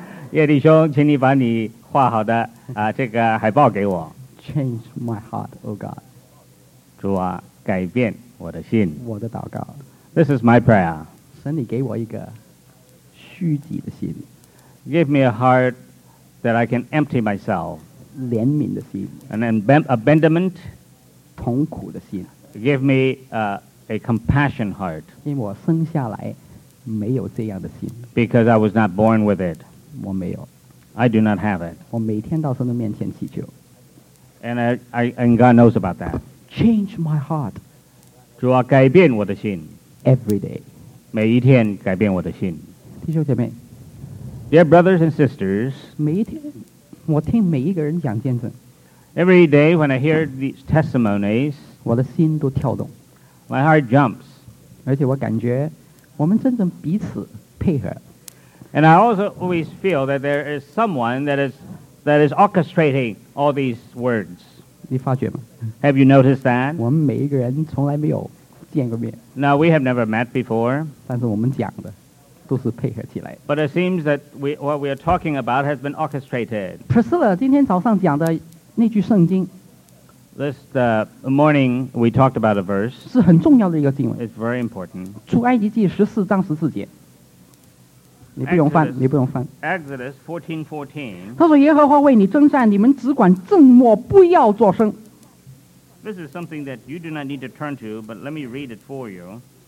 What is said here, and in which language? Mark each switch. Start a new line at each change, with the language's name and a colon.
Chinese: 叶弟兄请你把你画好的、这个海报给我
English: Change my heart oh God
Chinese: 主啊改变我的心我的祷告
English: This is my prayer
Chinese: 神你给我一个虚己的心
English: Give me a heart that I can empty myself
Chinese: 怜悯的心
English: An abandonment
Chinese: 痛苦的心
English: Give me a compassion heart
Chinese: 因为我生下来没有这样的心
English: because I was not born with it
Chinese: 我没有
English: I do not have it
Chinese: 我每天到神的面前祈求
English: and God knows about that change my heart
Chinese: 主啊改变我的心
English: every day
Chinese: 每一天改变我的心弟兄姐妹
English: dear brothers and sisters
Chinese: 每一天我听每一个人讲见证
English: every day when I hear these testimonies
Chinese: 我的心都跳动
English: My heart jumps.
Chinese: 而且我感觉我们真正彼此配合。
English: And I also always feel that there is someone that is orchestrating all these words.
Chinese: 你发觉吗?
English: Have you noticed that?
Chinese: 我们每一个人从来没有见过面。
English: No, we have never met before.
Chinese: 但是我们讲的都是配合起来。
English: But it seems that what we are talking about has been orchestrated.
Chinese: Priscilla, 今天早上讲的那句圣经
English: This morning we talked about a verse.
Chinese: 是很重要的一个经文。
English: It's very important.
Chinese: 出埃及记十四章十四节。你不用翻，你不用翻。
English: Exodus 14:14.
Chinese: 他说：“耶和华为你征战，你们只管静默，不要作声。”
English: This is something that you do not need to turn to, but let me read it for you.